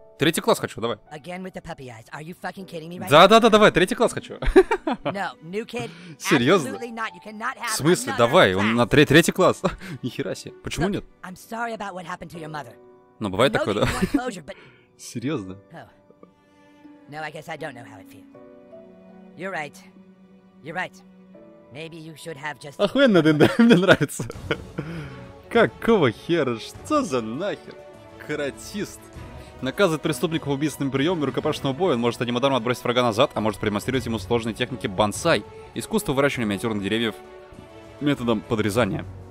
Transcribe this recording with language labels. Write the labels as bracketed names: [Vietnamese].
[Russian] Третий класс хочу, давай. [English] Again with the puppy eyes. Are you fucking kidding me right now? [Russian] Да, давай, третий класс хочу. [English] No, new kid. [Russian] Серьезно? [English] Absolutely not. You cannot have. [Russian] В смысле, давай, он на третий класс. Нихера себе. Почему нет? [English] I'm sorry about what happened to your mother. [Russian] Ну, бывает такое, да? Серьезно? [English] No, I guess I don't know how it feels. You're right. You're right. Maybe you should have just... [Russian] Охуенно, Дэнда, мне нравится. Какого хера? Что за нахер? Каратист. Наказывает преступников убийственным приемом рукопашного боя. Он может одним ударом отбросить врага назад, а может продемонстрировать ему сложные техники бонсай. Искусство выращивания миниатюрных деревьев методом подрезания.